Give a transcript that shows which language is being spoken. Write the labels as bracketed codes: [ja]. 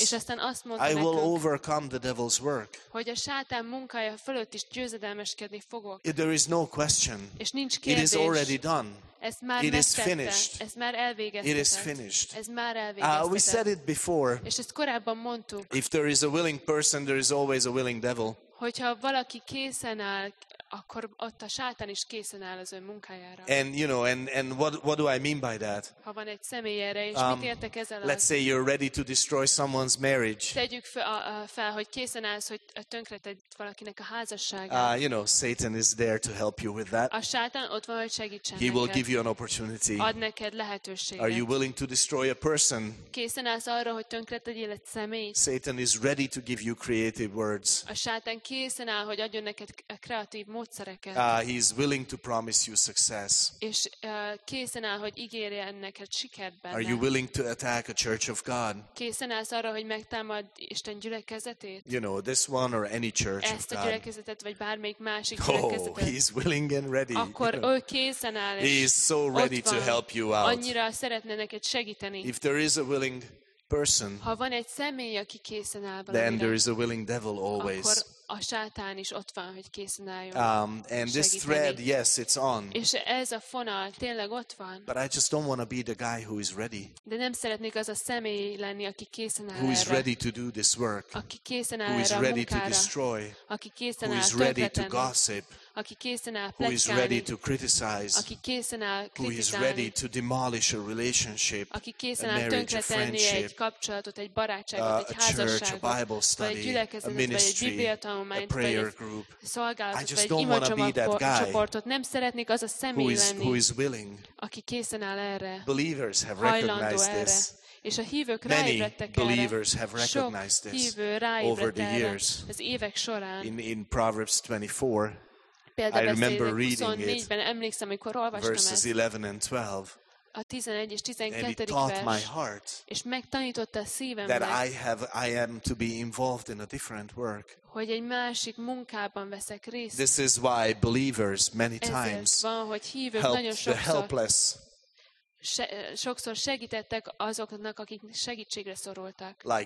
[hu] és aztán azt mondta [en] I will overcome the devil's work. [hu] Hogy a sátán munkája fölött is győzedelmeskedni fogok. [en] There is no question. [hu] És nincs kérdés. [en] It is already done. [hu] Ez már [en] it is finished. [hu] Ez már [en] it is finished. [hu] Ez már elvégeztetett. [en] We said it before. [hu] És ezt korábban mondtuk. [en] If there is a willing person, there is always a willing devil. [hu] Hogyha valaki készen áll, akkor ott a sátán is készen áll az ön munkájára. [en] And you know, and what do I mean by that? [hu] Ha van egy személy erre, és mit értek ezzel? [en] Let's say you're ready to destroy someone's marriage. [hu] Tegyük fel, hogy készen állsz, hogy tönkreted valakinek a házasságát. [en] You know, Satan is there to help you with that. [hu] A sátán ott van, hogy segítsen neked. [en] He will give you an opportunity. [hu] Ad neked lehetőséget. [en] Are you willing to destroy a person? [hu] Készen állsz arra, hogy tönkretegyél egy személyt? [en] Satan is ready to give you creative words. [hu] A sátán készen áll, hogy adjon neked kreatív módszereket. [en] He is willing to promise you success. [hu] És készen áll, hogy ígérjen neked sikert benne. [en] Are you willing to attack a church of God? [hu] Készen állsz arra, hogy megtámad Isten gyülekezetét? [en] You know, this one or any church [hu] ezt a gyülekezetet, vagy bármelyik másik gyülekezetet. [en] Oh, he is willing and ready. [hu] Akkor ő készen áll, [en] he is so ready to help you out. [hu] Annyira szeretne neked segíteni. [en] If there is a willing person, [hu] ha van egy személy, aki készen áll valamire, [en] then there is a willing devil always. [hu] A sátán is ott van, hogy készen álljon. [en] And this thread, yes, it's on. [hu] És ez a fonal tényleg ott van. [en] But I just don't want to be the guy who is ready. [hu] De nem szeretnék az a személy lenni, aki készen áll. [en] Who is ready to do this work? [hu] Aki készen áll erre a munkára. [en] Who is ready to destroy? [hu] Aki készen áll tönkretenni. [en] Who is ready to gossip? [hu] Aki készen áll plegykálni. [en] Who is ready to criticize? [hu] Aki készen áll kritizálni. [en] Who is ready to demolish a relationship? [hu] Aki készen áll tönkretenni egy kapcsolatot, egy barátságot, egy házasságot, [en] church, a Bible study, [hu] vagy egy gyülekezetet, [en] a ministry, [hu] vagy egy Biblia tanulmányt. [en] A prayer group. I just don't want to be that guy who is willing. [hu] Aki készen áll erre. [en] Believers have recognized this. [hu] És a hívők [en] Many believers have recognized this over the years. In Proverbs 24, I remember reading it, verses 11 and 12. [hu] A 11 és 12. vers, és megtanította a szívemnek, [en] that I am to be involved in a different work. [hu] Hogy egy másik munkában veszek részt. [en] This is why believers many times helpless. [hu] Sokszor segítettek azoknak, akik segítségre szorultak.